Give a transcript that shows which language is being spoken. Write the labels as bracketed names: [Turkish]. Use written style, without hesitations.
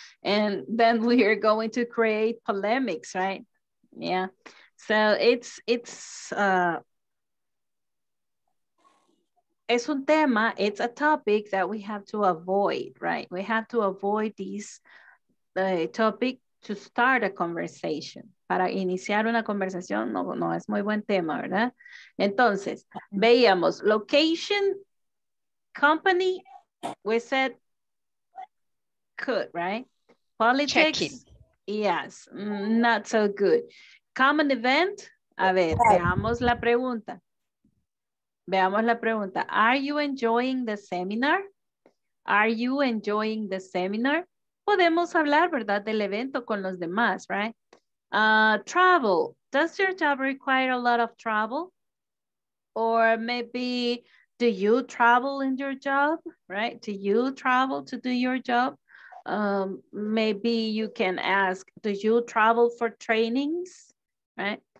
[English] And then we are going to create polemics, right? Yeah. So it's [Spanish] un tema, [English] it's a topic that we have to avoid, right? We have to avoid this topic to start a conversation. [Spanish] Para iniciar una conversación, no es muy buen tema, ¿verdad? Entonces, veíamos, [English] location, company, we said, good, right? Politics, checking. Yes, not so good. [Spanish] Common event, a ver, veamos la pregunta. Veamos la pregunta. [English] Are you enjoying the seminar? Are you enjoying the seminar? [Spanish] podemos hablar, ¿verdad?, del evento con los demás, right? [English] Travel. Does your job require a lot of travel? Or maybe, do you travel in your job, right? Do you travel to do your job? Maybe you can ask, do you travel for trainings, right?